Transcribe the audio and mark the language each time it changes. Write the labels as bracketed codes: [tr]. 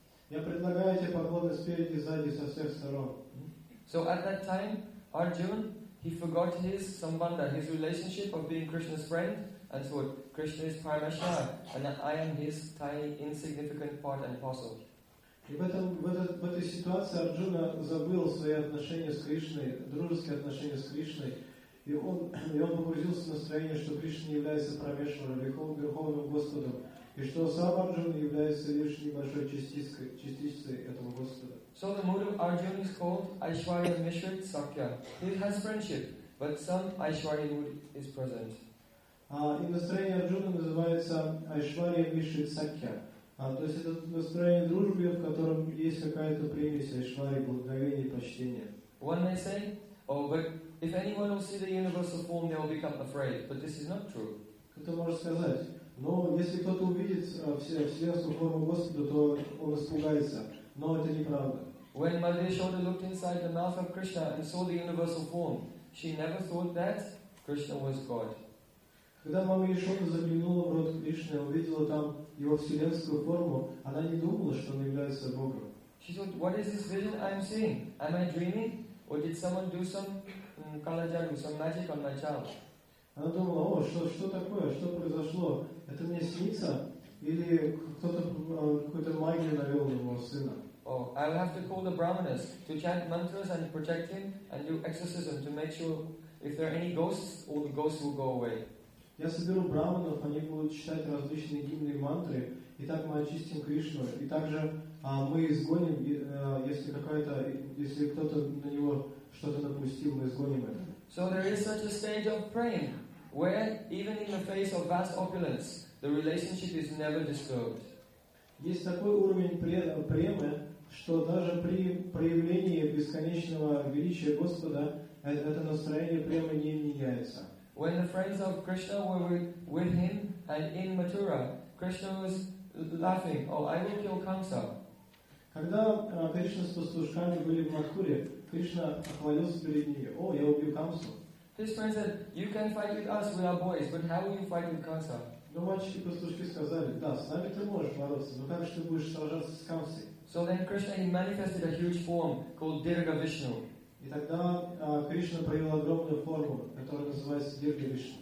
[ru] Я предлагаю тебе поклоны спереди, сзади, со всех сторон. [en] So at that time, Arjuna, he forgot his sambandha, his relationship of being Krishna's friend, and thought, Krishna is Parameshwara, and I am his tiny, insignificant part and parcel. [ru] И в этой ситуации Арджуна забыл свои отношения с Кришной, дружеские отношения с Кришной, и он погрузился в настроение, что Кришна является Парамешварой, Верховным Господом, и что сам Арджуна является лишь небольшой частицей этого Господа. [en] So the mood of Arjuna is called Aishwarya Mishrit Sakya. He has friendship, but some Aishwarya mood is present. [ru] И настроение Арджуны называется Aishwarya Mishrit Sakya. То есть это настроение дружбы, в котором есть какая-то примесь Aishwarya, благоговение, почтение. [en] One may say, oh, but If anyone will see the universal form, they will become afraid. But this is not true. [ru] Кто может сказать? Но если кто-то увидит вселенскую форму Господа, то он испугается. Но это неправда. [en] When Madhvashoda looked inside the mouth of Krishna and saw the universal form, she never thought that Krishna was God. [ru] Когда мама Яшода заглянула в рот Кришны и увидела там его вселенскую форму, она не думала, что он является Богом. [en] She thought, what is this vision I am seeing? Am I dreaming? Or did someone do some kalajadu, some magic on my child? [ru] Она думала, о, что такое, что произошло? Это мне снится? Или кто-то какой-то магию навел на моего сына? [en] Oh, I will have to call the brahmanas to chant mantras and protect him and do exorcism to make sure if there are any ghosts, all the ghosts will go away. [ru] Я соберу браманов, они будут читать различные гимны и мантры, и так мы очистим Кришну, и также мы изгоним, если кто-то на него что-то напустил, мы изгоним это. [en] So there is such a stage of praying where even in the face of vast opulence, the relationship is never disturbed. [ru] Есть такой уровень премы, что даже при проявлении бесконечного величия Господа это настроение премы не меняется. [en] When the friends of Krishna were with him and in Mathura, Krishna was laughing. Oh, I will kill Kamsa. [ru] Когда Кришна с пастушками были в Матхуре, Кришна охвалился перед ними. О, я убью Камсу. [en] His friends said, you can fight with us, we are boys, but how will you fight with Kamsa? [ru] Но мальчики пастушки сказали, да, с нами ты можешь бороться, но как же ты будешь сражаться с Камсой? [en] So then Krishna, he manifested a huge form called Dirga Vishnu. [ru] И тогда Кришна проявил огромную форму, которая называется Дирга Вишну.